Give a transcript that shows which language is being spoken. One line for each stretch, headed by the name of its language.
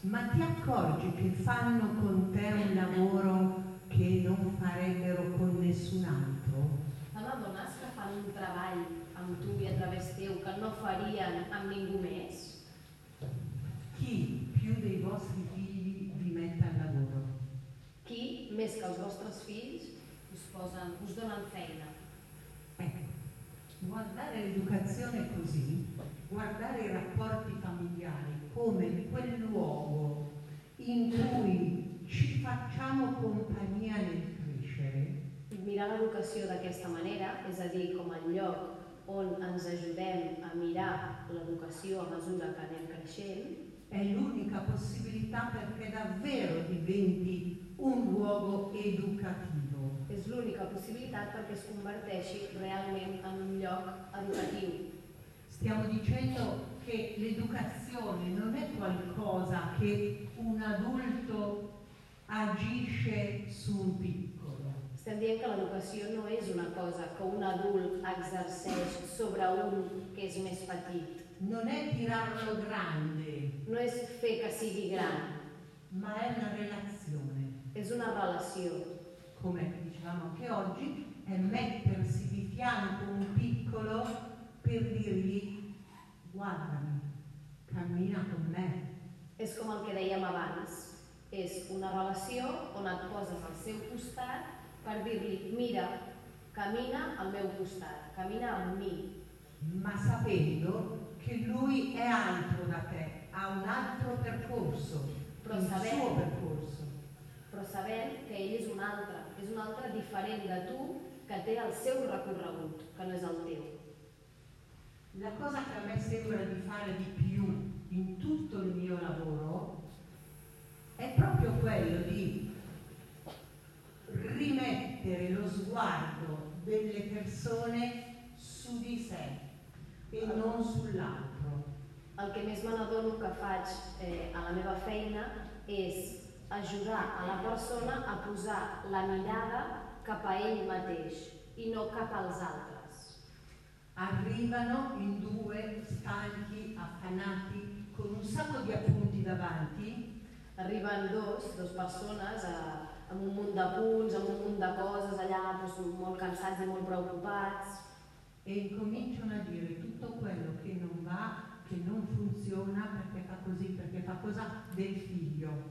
Italian: Ma ti accorgi che fanno con te un lavoro che non farebbero con nessun altro?
Catalan: T'adones que fan un treball amb tu i a través teu que no farien amb ningú més?
Italian: Qui più dei vostri figli vi mette al lavoro?
Catalan: Qui més que els vostres fills us donen feina?
Italian: Ecco, guardare l'educazione così, guardare i rapporti familiari come quel luogo in cui ci facciamo compagnia nel crescere.
Catalan: Mirar l'educació d'aquesta manera, és a dir, com el lloc on ens ajudem a mirar l'educació a mesura que anem creixent,
Italian: è l'unica possibilità perché davvero diventi un luogo educativo.
Catalan: És l'única possibilitat perquè es converteixi realment en un lloc educatiu.
Italian: Stiamo dicendo che l'educazione non è qualcosa che un adulto agisce su un piccolo.
Catalan: Estem dient que l'educació no és una cosa que un adult exerceix sobre un que és més petit.
Italian: Non è tirarlo grande.
Catalan: No és fer que sigui gran.
Italian: Ma è una relazione.
Catalan: És una relació.
Italian: Come dicevamo anche oggi, è mettersi di fianco un piccolo per dirgli guardami, cammina con me.
Catalan: És com el que dèiem abans. És una relació on et poses al seu costat per dir-li, mira, camina al meu costat, camina amb mi.
Italian: Ma sapendo che lui è altro da te, ha un altro percorso, il suo percorso.
Catalan: Però sabent que ell és un altre diferent de tu, que té el seu recorregut, que no és el teu.
Italian: La cosa che a me sembra di fare di più in tutto il mio lavoro è proprio quello di rimettere lo sguardo delle persone su di sé e non sull'altro.
Catalan: El que més me n'adono que faig a la meva feina és ajudar a la persona a posar la mirada cap a ell mateix i no cap als altres.
Italian: Arrivano in due stanchi, affanati, con un sacco di appunti davanti.
Catalan: Arriben dos persones amb un munt de punts, amb un munt de coses allà, doncs, molt cansats i molt preocupats.
Italian: E cominciano a dire tutto quello che non va, che non funziona, perché fa così, perché fa cosa del figlio.